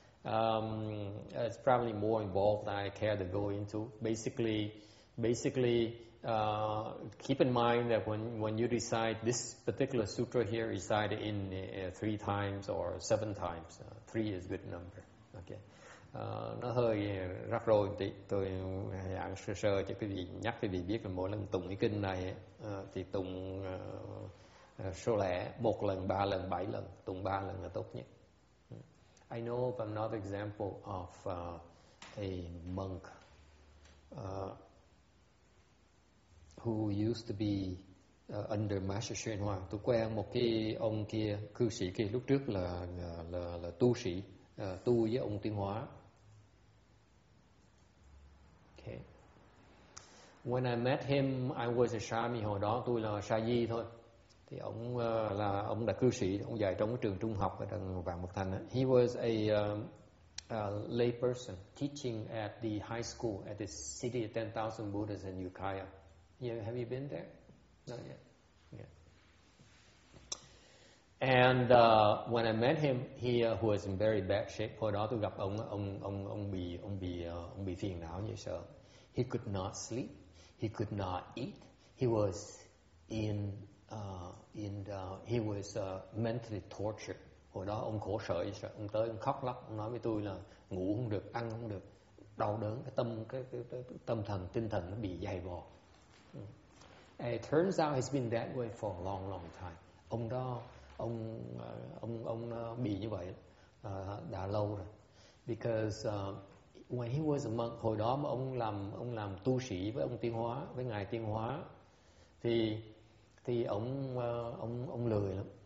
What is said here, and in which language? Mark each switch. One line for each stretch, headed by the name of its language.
English: It's probably more involved than I care to go into. Basically, keep in mind that when you recite this particular sutra here, recite it in 3 times or 7 times. 3 is a good number. Okay.
Vietnamese: Nó hơi rắc rối tí. Tôi giảng sơ sơ cho quý vị, nhắc quý vị biết là mỗi lần tụng cái kinh này thì tụng số lẻ 1 lần, 3 lần, 7 lần, tụng 3 lần là tốt nhất.
English: I know of another example of a monk who used to be under Master Xuyên Hoa.
Vietnamese: Tôi quen một cái ông kia, cư sĩ kia lúc trước là tu sĩ, tu với ông Tuyên Hóa.
English: Okay. When I met him, I was a Shami
Vietnamese: hồi đó, tôi là Sa Di thôi. Thì ông là ông đã cư sĩ, ông dạy trong cái trường trung học ở đằng Vạn Mục Thành.
English: He was a lay person teaching at the high school at the City of 10,000 Buddhas in Ukiah. Yeah, have you been there? Not yet. And when I met him, he was in very bad shape.
Vietnamese: Hồi đó tôi gặp ông bị phiền não như sợ.
English: He could not sleep. He could not eat. He was mentally tortured.
Vietnamese: Hồi đó ông khổ sở như sợ. Ông tới ông khóc lóc. Ông nói với tôi là ngủ không được, ăn không được, đau đớn cái tâm thần tinh thần nó bị dày vò.
English: It turns out he's been that way for a long, long time.
Vietnamese: Ông bị như vậy đã lâu rồi.
English: Because when he was a monk,
Vietnamese: hồi đó mà ông làm tu sĩ với ông Tiên Hóa, với ngài Tiên Hóa, thì ông lười lắm.